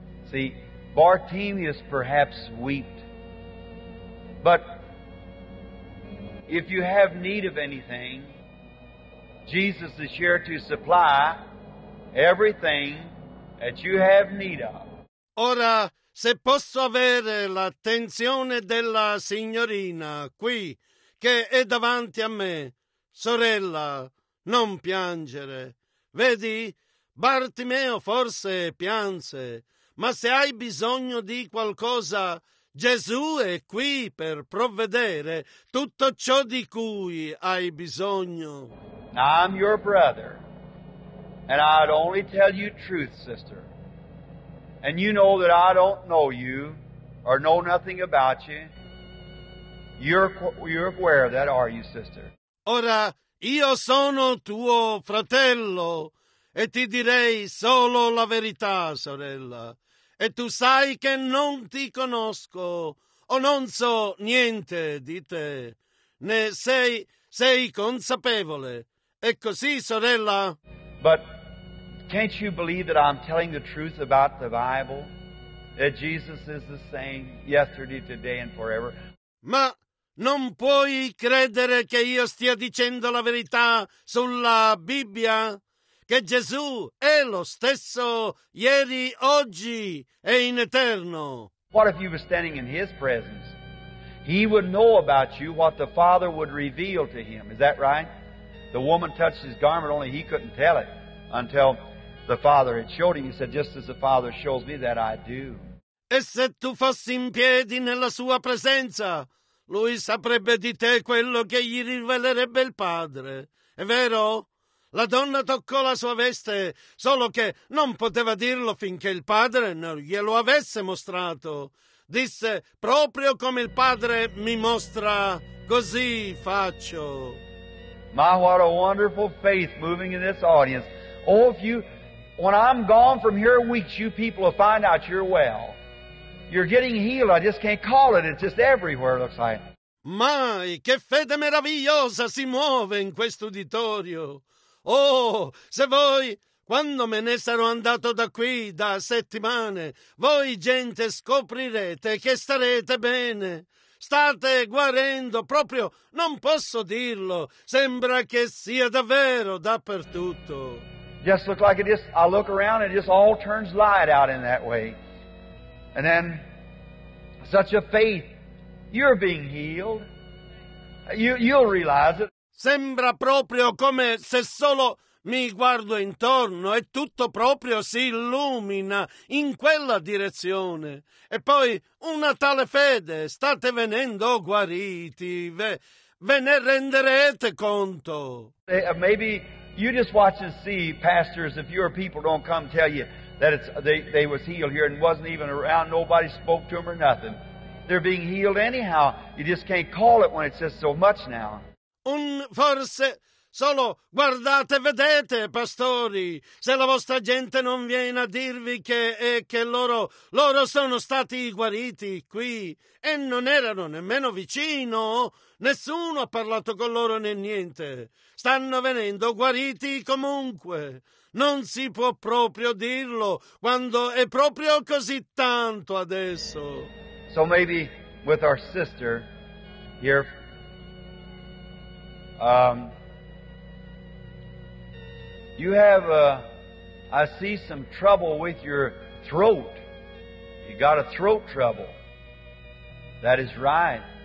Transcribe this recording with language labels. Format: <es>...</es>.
<en>See, Bartimaeus perhaps wept, but if you have need of anything, Jesus is here to supply everything that you have need of.</en> <it>Ora, se posso avere l'attenzione della signorina qui, che è davanti a me, sorella, non piangere. Vedi, Bartimeo forse pianse, ma se hai bisogno di qualcosa, Gesù è qui per provvedere tutto ciò di cui hai bisogno.</it> <en>I'm your brother, and I'd only tell you truth, sister. And you know that I don't know you or know nothing about you. You're aware of that, are you, sister?</en> <it>Ora, io sono tuo fratello e ti direi solo la verità, sorella. E tu sai che non ti conosco o non so niente di te, né sei consapevole. È così, sorella?</it> <en>But can't you believe that I'm telling the truth about the Bible? That Jesus is the same yesterday, today, and forever?</en> <it>Ma non puoi credere che io stia dicendo la verità sulla Bibbia? Che Gesù è lo stesso ieri, oggi e in eterno.</it> <en>What if you were standing in His presence? He would know about you what the Father would reveal to Him. Is that right? The woman touched His garment, only He couldn't tell it until the Father had showed Him. He said, just as the Father shows me that I do.</en> <it>E se tu fossi in piedi nella Sua presenza, Lui saprebbe di te quello che gli rivelerebbe il Padre. È vero? La donna toccò la sua veste, solo che non poteva dirlo finché il Padre non glielo avesse mostrato. Disse, proprio come il Padre mi mostra, così faccio.</it> <en>My, what a wonderful faith moving in this audience. Oh, if you, when I'm gone from here weeks, you people will find out you're well. You're getting healed, I just can't call it, it's just everywhere, it looks like.</en> <it>Mai, che fede meravigliosa si muove in questo uditorio. Oh, se voi, quando me ne sarò andato da qui da settimane, voi gente scoprirete che starete bene. State guarendo, proprio non posso dirlo. Sembra che sia davvero dappertutto.</it> <en>Just look like it just, I look around and it just all turns light out in that way. And then, such a faith, you're being healed. You'll realize it.</en> <it>Sembra proprio come se solo mi guardo intorno e tutto proprio si illumina in quella direzione. E poi una tale fede, state venendo guariti, ve ne renderete conto.</it> <en>Maybe you just watch and see, pastors, if your people don't come tell you that they was healed here and wasn't even around, nobody spoke to them or nothing. They're being healed anyhow. You just can't call it when it's just so much now.</en> <it>Forse solo guardate, vedete, pastori, se la vostra gente non viene a dirvi che loro sono stati guariti qui e non erano nemmeno vicino, nessuno ha parlato con loro né niente. Stanno venendo guariti comunque. Non si può proprio dirlo quando è proprio così tanto adesso.</it> <en>So maybe with our sister here, you have I see some trouble with your throat. You got a throat trouble. That is right.</en>